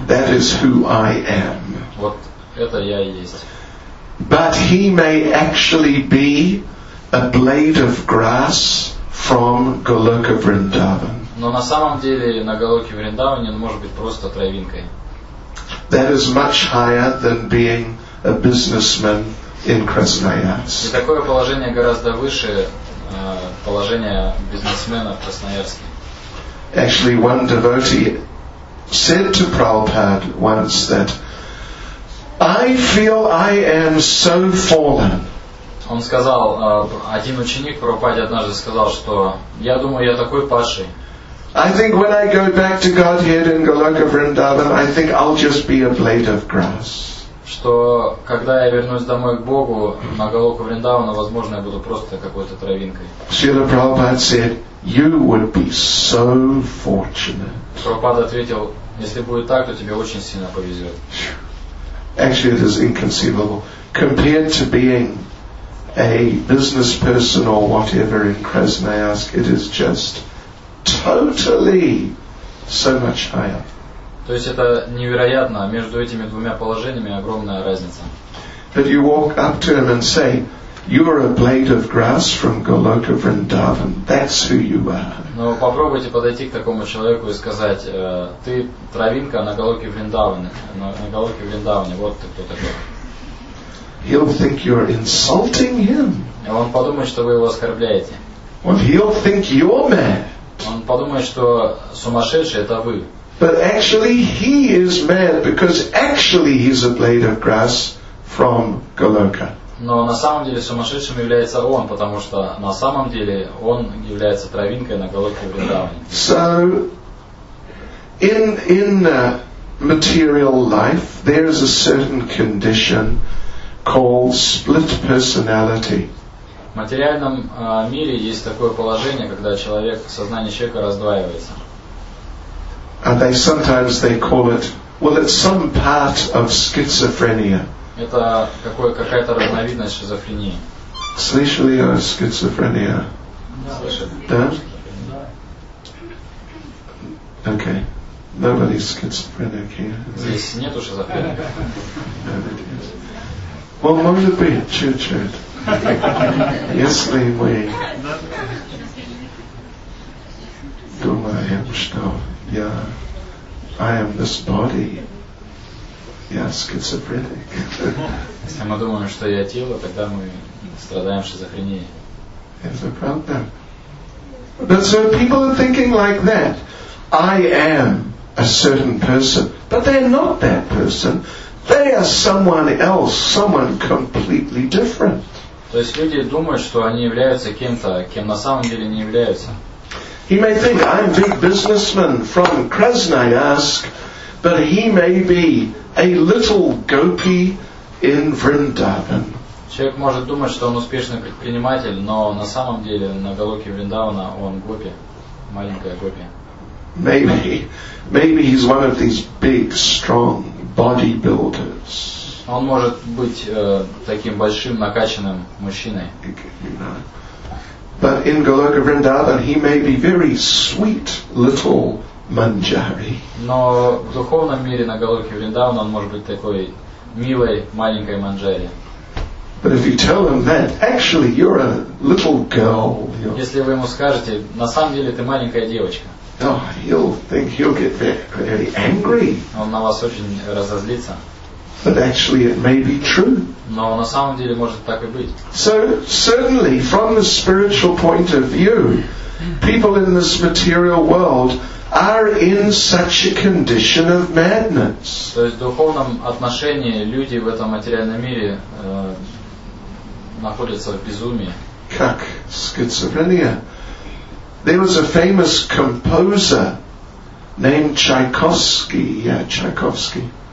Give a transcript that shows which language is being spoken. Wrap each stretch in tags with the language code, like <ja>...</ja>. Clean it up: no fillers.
<en>That is who I am.</en> <ru>Вот это я и есть.</ru> <en>But he may actually be a blade of grass from Goloka Vrindavan.</en> <ru>Но на самом деле на Голоке Вриндаване он может быть просто травинкой.</ru> <en>That is much higher than being a businessman in Krasnoyarsk.</en> <ru>И такое положение гораздо выше положения бизнесмена в Красноярске.</ru> <en>Actually, one devotee said to Prabhupada once that I feel I am so fallen.</en> <ru>Он сказал, один ученик Прабхупаде однажды сказал, что я думаю, я такой падший.</ru> <en>I think when I go back to Godhead in Goloka Vrindavan, I think I'll just be a blade of grass.</en> <ru>Что когда я вернусь домой к Богу на Голоку Вриндавана, возможно, я буду просто какой-то травинкой.</ru> <en>Srila Prabhupada said, you would be so fortunate.</en> <ru>Прабхупада ответил, если будет так, то тебе очень сильно повезет.</ru> <en>Actually, it is inconceivable. Compared to being a business person or whatever in Krasnoyarsk, it is just totally so much higher.</en> <ru>То есть это невероятно. Между этими двумя положениями огромная разница.</ru> <en>But you walk up to him and say, you are a blade of grass from Goloka Vrindavan. That's who you are.</en> <ru>Но попробуйте подойти к такому человеку и сказать, ты травинка на Голоке Вриндаване. На Голоке Вриндаване. Вот ты кто такой.</ru> <en>He'll think you're insulting him.</en> <ru>И он подумает, что вы его оскорбляете.</ru> <en>Well, he'll think you're mad.</en> <ru>Он подумает, что сумасшедший это вы.</ru> <en>But actually, he is mad because actually he's a blade of grass from Goloka.</en> <ru>Но на самом деле сумасшедшим является он, потому что на самом деле он является травинкой на Голоке Вриндаване.</ru> <en>So, in material life, there is a certain condition called split personality.</en> <ru>В материальном мире есть такое положение, когда человек, сознание человека раздваивается.</ru> <en>And they sometimes they call it, well, it's some part of schizophrenia.</en> <ru>Это какая-то разновидность шизофрении. Слышали о шизофрении? Да. Да?</ru> <en>Okay. Nobody's schizophrenic here.</en> <ru>Здесь нету шизофреников.</ru> <en>Well,</en> <ru>может быть, чуть-чуть. Если мы думаем, что я,</ru> <en>I am this body,</en> <ru>я</ru> <en>schizophrenic.</en> <ru>Если мы думаем, что я тело, тогда мы страдаем шизофренией.</ru> <en>It's a problem. But so people are thinking like that. I am a certain person, but they are not that person. They are someone else, someone completely different.</en> <ru>То есть люди думают, что они являются кем-то, кем на самом деле не являются.</ru> <en>He may think I'm a big businessman from Krasnoyarsk, but he may be a little gopi in Vrindavan.</en> <ru>Человек может думать, что он успешный предприниматель, но на самом деле на Галоке Вриндавана он гопи, маленькая гопи.</ru> <en>Maybe he's one of these big, strong bodybuilders.</en> <ru>Он может быть таким большим накачанным мужчиной.</ru> <en>But in Goloka Vrindavan he may be very sweet little manjari.</en> <ru>Но в духовном мире на Голоке Вриндавана он может быть такой милой маленькой манджари.</ru> <en>But if you tell him that, actually you're a little girl.</en> <ru>Если вы ему скажете, на самом деле ты маленькая девочка.</ru> <en>Oh, he'll think he'll get very angry.</en> <ru>Он на вас очень разозлится.</ru> <en>But actually it may be true.</en> <ru>Но на самом деле может так и быть.</ru> <en>So certainly from the spiritual point of view, people in this material world are in such a condition of madness.</en> <ru>То есть в духовном отношении люди в этом материальном мире находятся в безумии. Как</ru> <en>schizophrenia. There was a famous composer named Tchaikovsky. Yeah, Tchaikovsky.</en>